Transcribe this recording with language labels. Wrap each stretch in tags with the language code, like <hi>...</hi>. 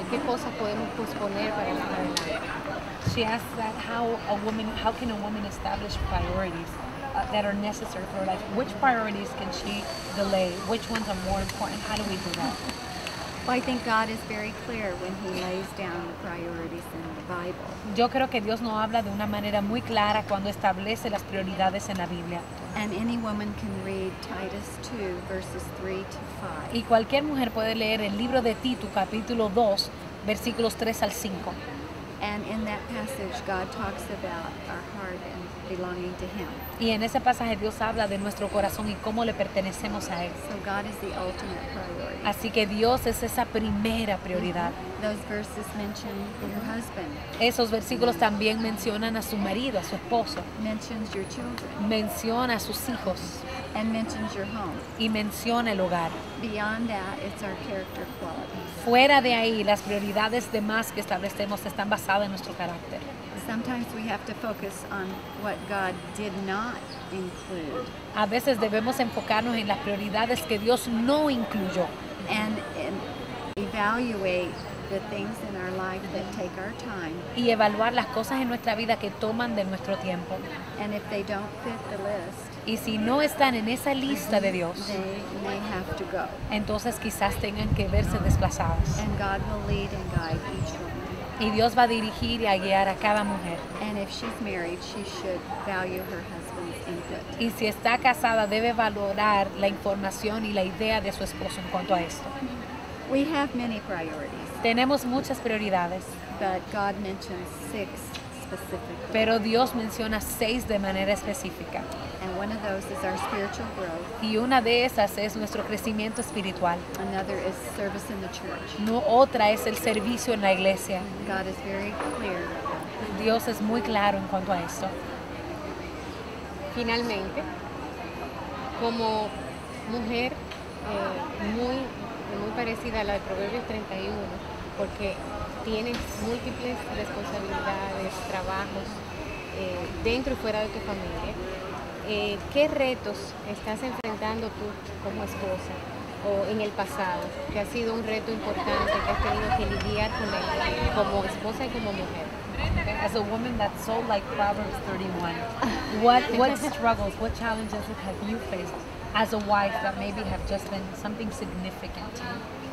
<es>¿Y qué cosas podemos posponer para más adelante?</es> <en>She asks that how can a woman establish priorities that are necessary for her life? Which priorities can she delay? Which ones are more important? How do we do that? Well, I think God is very clear when he lays down the priorities in the Bible.</en> <es>Yo creo que Dios no habla de una manera muy clara cuando establece las prioridades en la Biblia.</es> <en>And any woman can read Titus 2, verses 3 to 5.</en> <es>Y cualquier mujer puede leer el libro de Tito, capítulo 2, versículos 3 al 5.</es> <en>And in that passage, God talks about our heart and belonging to him.</en> <es>Y en ese pasaje Dios habla de nuestro corazón y cómo le pertenecemos a él.</es> <en>So God is the ultimate priority.</en> <es>Así que Dios es esa primera prioridad.</es> <en>Those verses mention your husband.</en> <es>Esos versículos también mencionan a su marido, a su esposo.</es> <en>Mentions your children.</en> <es>Menciona a sus hijos.</es> <en>And mentions your home.</en> <es>Y menciona el hogar.</es> <en>Beyond that, it's our character quality.</en> <es>Fuera de ahí, las prioridades demás que establecemos están basadas en nuestro carácter.</es> <en>Sometimes we have to focus on what God did not include.</en> <es>A veces debemos enfocarnos en las prioridades que Dios no incluyó.</es> <en>And evaluate the things in our life that take our time.</en> <es>Y evaluar las cosas en nuestra vida que toman de nuestro tiempo.</es> <en>And if they don't fit the list,</en> <es>y si no están en esa lista de Dios,</es> <en>they have to go.</en> <es>Entonces quizás tengan que verse desplazados.</es> <en>And God will lead and guide each one.</en> <es>Y Dios va a dirigir y a guiar a cada mujer.</es> <en>And if she's married, she should value her husband's input.</en> <es>Y si está casada, debe valorar la información y la idea de su esposo en cuanto a esto.</es> <en>We have many priorities.</en> <es>Tenemos muchas prioridades.</es> <en>But God mentions six specifically.</en> <es>Pero Dios menciona seis de manera específica.</es> <en>And one of those is our spiritual growth.</en> <es>Y una de esas es nuestro crecimiento espiritual.</es> <en>Another is service in the church.</en> <es>No, otra es el servicio en la iglesia.</es> <en>God is very clear about that.</en> <es>Dios es muy claro en cuanto a esto. Finalmente, como mujer muy parecida a la de Proverbios 31, porque tienes múltiples responsabilidades, trabajos, dentro y fuera de tu familia, ¿qué retos estás enfrentando tú como esposa o en el pasado que ha sido un reto importante que has tenido que lidiar con él como esposa y como mujer?</es> <en>As a woman that's so like Proverbs 31, what struggles, what challenges have you faced as a wife that maybe have just been something significant to you?</en>